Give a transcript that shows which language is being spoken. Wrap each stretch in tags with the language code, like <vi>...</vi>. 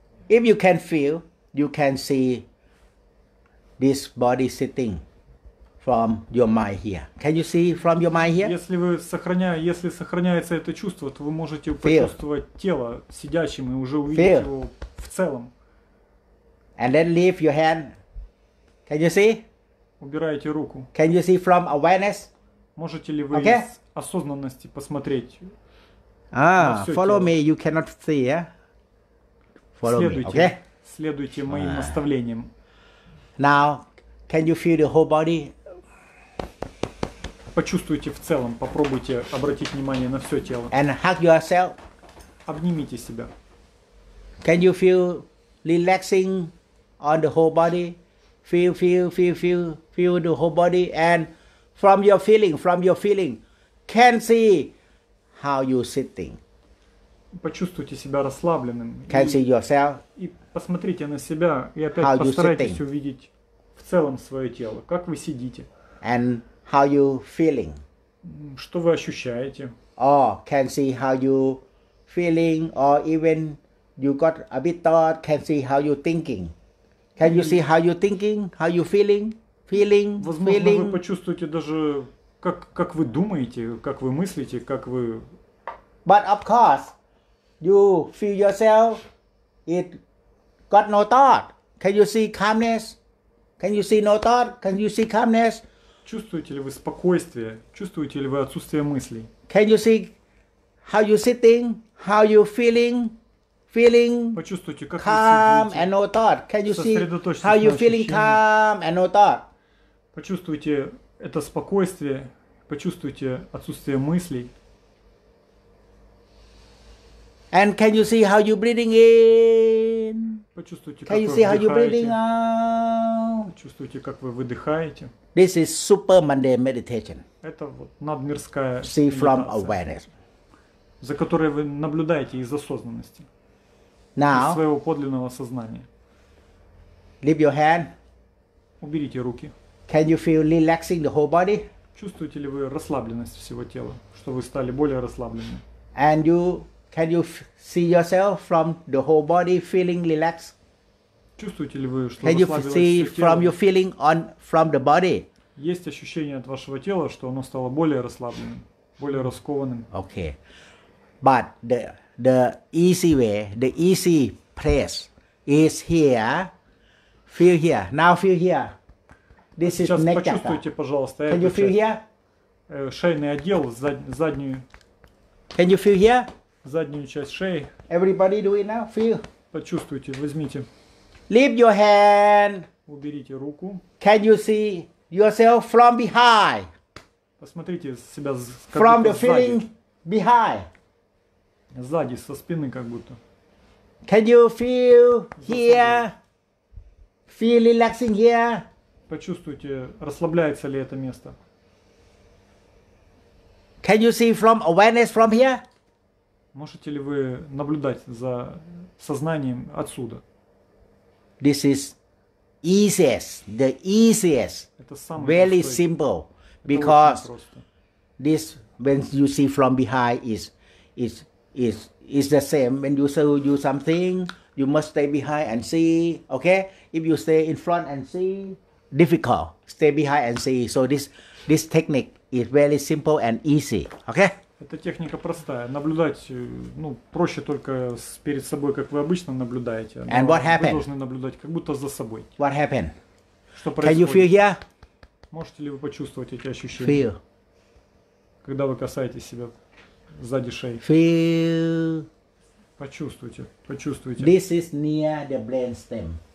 <en>If you can feel, you can see this body sitting from your mind here. Can you see from your mind here?</en> <ru>Если вы сохраняя, если сохраняется это чувство, то вы можете почувствовать тело сидящим и уже увидеть его в целом.</ru> <en>And then leave your hand. Can you see?</en> <ru>Убираете руку.</ru> <en>Can you see from awareness?</en> <ru>Можете ли вы из осознанности посмотреть?</ru> <en>Follow me, you cannot see, yeah? Follow</en> <ru>следуйте,</ru> <en>me, okay?</en> <ru>Следуйте моим наставлениям.</ru> <en>Now, can you feel the whole body?</en> <ru>Почувствуйте в целом, попробуйте обратить внимание на все тело.</ru> <en>And hug yourself.</en> <ru>Обнимите себя.</ru> <en>Can you feel relaxing on the whole body? Feel, feel, feel, feel, feel the whole body. And from your feeling, can see how you sitting.</en> <ru>Почувствуйте себя расслабленным.</ru> <en>Can see yourself.</en> <ru>И посмотрите на себя и опять постарайтесь увидеть в целом свое тело. Как вы сидите?</ru> <en>And how you feeling?</en> <ru>Что вы ощущаете?</ru> <en>Or can see how you feeling, or even you got a bit thought, can see how you thinking. Can you see how you thinking, how you feeling, feeling,</en> <ru>возможно,</ru> <en>feeling?</en> <ru>Вы почувствуете даже, как вы думаете, как вы мыслите, как вы...</ru> <en>But of course, you feel yourself, it got no thought. Can you see calmness? Can you see no thought? Can you see calmness?</en> <ru>Чувствуете ли вы спокойствие? Чувствуете ли вы отсутствие мыслей?</ru> <en>Can you see how you sitting, how you feeling? Feeling</en> <ru>почувствуйте, как</ru> <en>calm and no thought. Can you see how you feeling calm and no thought?</en> <ru>Почувствуйте это спокойствие, почувствуйте отсутствие мыслей.</ru> <en>And can you see how you breathing in?</en> <ru>Почувствуйте,</ru> <en>can</en> <ru>как</ru> <en>you</en> <ru>вы</ru> <en>see</en> <ru>вдыхаете.</ru> <en>How you breathing out?</en> <ru>Почувствуйте, как вы выдыхаете.</ru> <en>This is super mundane meditation.</en> <ru>Это вот надмирская</ru> <en>see from awareness.</en> <ru>За которой вы наблюдаете из осознанности.</ru> <en>Now,</en> <ru>из своего подлинного сознания.</ru> <en>Leave your hand.</en> <ru>Уберите руки.</ru> <en>Can you feel relaxing the whole body?</en> <ru>Чувствуете ли вы расслабленность всего тела, что вы стали более расслабленными?</ru> <en>And you can you see yourself from the whole body feeling relaxed?</en> <ru>Чувствуете ли вы, что</ru> <en>can</en> <ru>расслабилось</ru> <en>you see</en> <ru>все тело?</ru> <en>From your feeling on from the body?</en> <ru>Есть ощущение от вашего тела, что оно стало более расслабленным, более раскованным?</ru> <en>Okay, but the the easy way, the easy place is here. Feel here. Now feel here. This is neck chakra.</en> <ru>Почувствуйте, пожалуйста,</ru> <en>can you feel</en> <ru>часть,</ru> <en>here?</en> <ru>Шейный отдел, заднюю.</ru> <en>Can you feel here?</en> <ru>Заднюю часть шеи.</ru> <en>Everybody do it now. Feel.</en> <ru>Почувствуйте, возьмите.</ru> <en>Leave your hand.</en> <ru>Уберите руку.</ru> <en>Can you see yourself from behind?</en> <ru>Посмотрите себя с какой-то</ru> <en>from the feeling</en> <ru>сзади.</ru> <en>Behind.</en> <ru>Сзади, со спины как будто.</ru> <en>Can you feel here? Feel relaxing here?</en> <ru>Почувствуйте, расслабляется ли это место.</ru> <en>Can you see from awareness from here?</en> <ru>Можете ли вы наблюдать за сознанием отсюда?</ru> <en>This is easiest, the easiest.</en> <ru>Это самый</ru> <en>very</en> <ru>простой.</ru> <en>Simple. Because this, when you see from behind, is the same. When you show you something, you must stay behind and see, okay? If you stay in front and see, difficult. Stay behind and see. So this technique is very simple and easy, okay?</en> <ru>Эта техника простая. Наблюдать, ну, проще только перед собой, как вы обычно наблюдаете.</ru> <en>And what happened?</en> <ru>Вы должны наблюдать как будто за собой.</ru> <en>What happened?</en> <ru>Что происходит?</ru> <en>Can you feel here?</en> <ru>Можете ли вы почувствовать эти ощущения?</ru> <en>Feel.</en> <ru>Когда вы касаетесь себя... Сзади шеи.</ru> <en>Feel.</en> <ru>Почувствуйте, почувствуйте.</ru> <en>This is near the brain stem.</en>